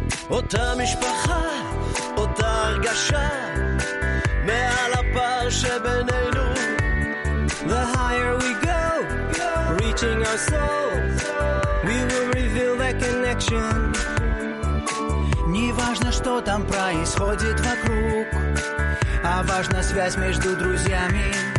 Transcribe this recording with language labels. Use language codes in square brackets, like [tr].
[he] אותה משפחה, אותה הרגשה, מעל הפרק. הפער שבינינו. [en] The higher we go, reaching our soul, we will reveal that connection. [ru] Неважно, что там происходит вокруг, а важна связь между друзьями.